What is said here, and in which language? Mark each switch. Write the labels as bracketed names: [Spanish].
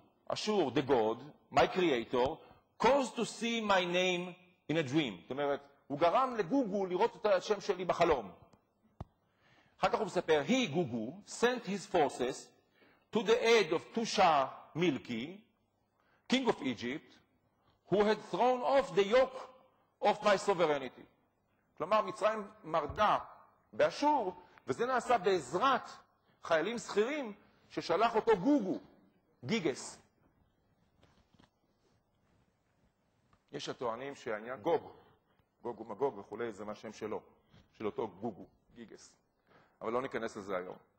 [English] אשור, the god, my creator, caused to see my name in a dream. [Hebrew] זאת אומרת, הוא גרם לגוגו לראות את השם שלי בחלום. אחר כך הוא מספר, [English] he, Gugu, sent his forces to the aid of Tushamilki, king of Egypt, who had thrown off the yoke of my sovereignty. [Hebrew] כלומר, מצרים מרדה באשור, וזה נעשה בעזרת חיילים שכירים ששלח אותו גוגו, גיגס. יש הטוענים שהעניין גוג, גוג ומגוג וכו', זה מה שם שלו, של אותו גוגו, גיגס. אבל לא ניכנס לזה היום.